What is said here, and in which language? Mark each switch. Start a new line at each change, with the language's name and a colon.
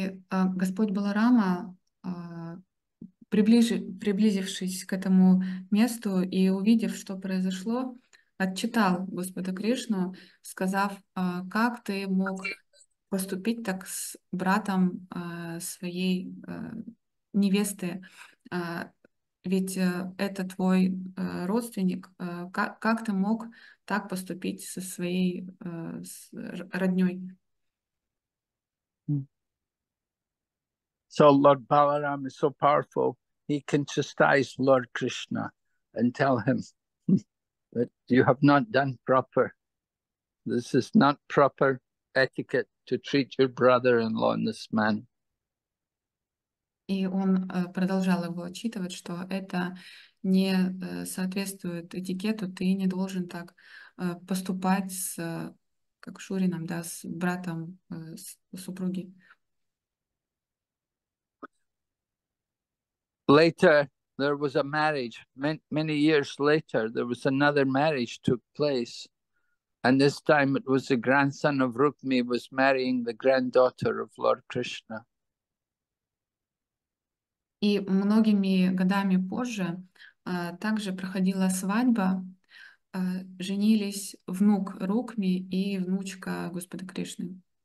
Russian: Господь Баларама, приблизившись к этому месту и увидев, что произошло, отчитал Господа Кришну, сказав, как ты мог поступить так с братом своей невесты, ведь это твой родственник, как ты мог так поступить со своей роднёй?
English: So Lord Balaram is so powerful, he can chastise Lord Krishna and tell him that you have not done proper. This is not proper etiquette to treat your brother-in-law in this manner.
Russian: И он продолжал его отчитывать, что это не соответствует этикету, ты не должен так поступать с, как Шурином, да, с братом супруги.
English: Later, there was a marriage. Many years later, there was another marriage took place. And this time it was the grandson of Rukmi was marrying the granddaughter of Lord Krishna.
Russian: И многими годами позже также проходила свадьба женились внук Рукми и внучка Господа Кришны.